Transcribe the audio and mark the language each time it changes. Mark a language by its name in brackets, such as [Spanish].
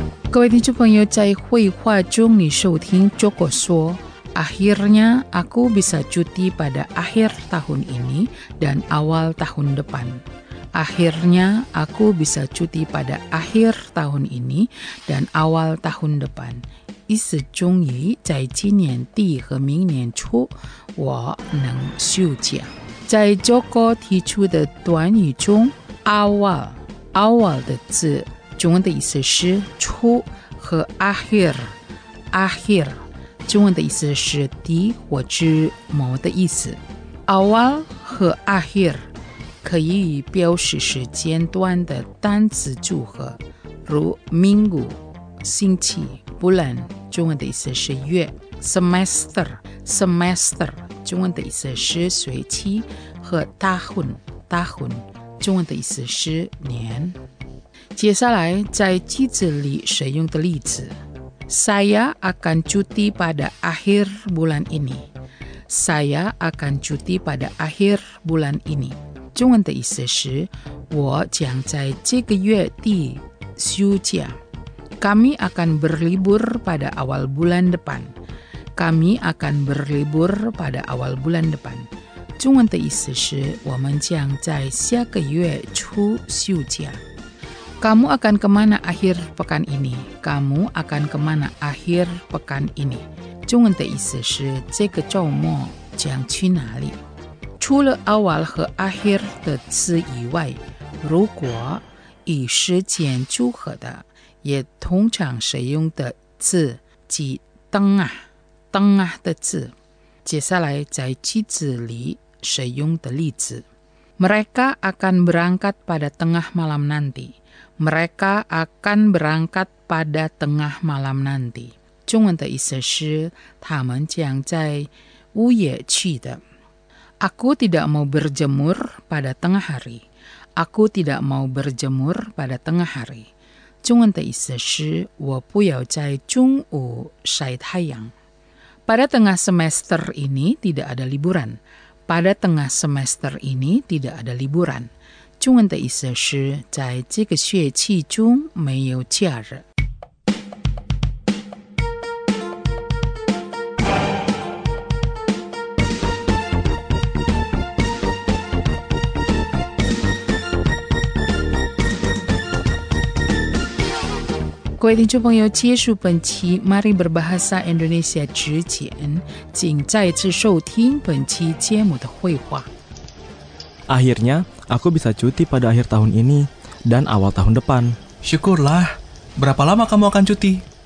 [Chinese] 各位听众朋友，在绘画中你收听 Joko 说 [Indonesian] Akhirnya aku bisa cuti pada akhir tahun ini dan awal tahun depan. Akhirnya aku bisa cuti pada akhir tahun ini dan awal tahun depan. [Chinese] 意思终于在今年底和明年初我能休假。在 Joko 提出的短语中 awal, awal 的字中文的意思是初和 akhir akhir 中文的意思是底或之末的意思。 awal 和 akhir 可以表示时间段的单词组合，如 minggu 星期， bulan 中文的意思是月， semester semester 中文的意思是学期，和 tahun tahun 中文的意思是年。接下来在句子里使用的例子， [Indonesian] Saya akan cuti pada akhir bulan ini. Saya akan cuti pada akhir bulan ini. [Chinese] 中文的意思是我将在这个月底休假。 [Indonesian] Kami akan berlibur pada awal bulan depan. Kami akan berlibur pada awal bulan depan. [Chinese] 中文的意思是我们将在下个月初休假。 [Indonesian] Kamu akan kemana akhir pekan ini? Kamu akan kemana akhir pekan ini? [Chinese] 中文的意思是这个周末将去哪里？除了 awal 和 akhir 的词以外，如果以时间组合的，也通常使用的字即 tengah tengah 的字。接下来在句子里使用的例子， [Indonesian] Mereka akan berangkat pada tengah malam nanti. Mereka akan berangkat pada tengah malam nanti. [Chinese] 中文的意思是他们将在午夜去的。 [Indonesian] Aku tidak mau berjemur pada tengah hari. Aku tidak mau berjemur pada tengah hari. [Chinese] 中文的意思是我不要在中午晒太阳。 [Indonesian] Pada tengah semester ini tidak ada liburan. Pada tengah semester ini tidak ada liburan. [Chinese] 中文的意思是在这个学期中没有假日。各位听众朋友，结束本期 Mari Berbahasa Indonesia 之前，请再次收听本期节目的绘画。 [Indonesian] Akhirnya, aku bisa cuti pada akhir tahun ini dan awal tahun depan. Syukurlah. Berapa lama kamu akan cuti?